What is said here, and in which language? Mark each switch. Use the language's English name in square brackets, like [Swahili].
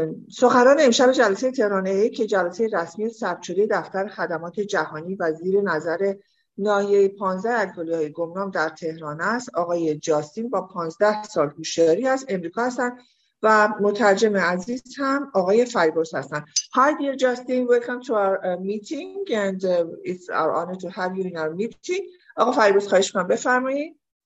[Persian] سخنران امشب جلسه ترانهی که جلسه رسمی ثبت شده دفتر خدمات جهانی و زیر نظر ناحیه 15 الکلی‌های گمنام در تهران است، آقای جاستین با 15 سال هوشیاری از امریکا هستند و مترجم عزیز هم آقای فریبرز هستند. [English] Hi dear Justin, welcome to our meeting and it's our honor to have you in our meeting. [Persian] آقای فریبرز خواهش می‌کنم بفرمایید.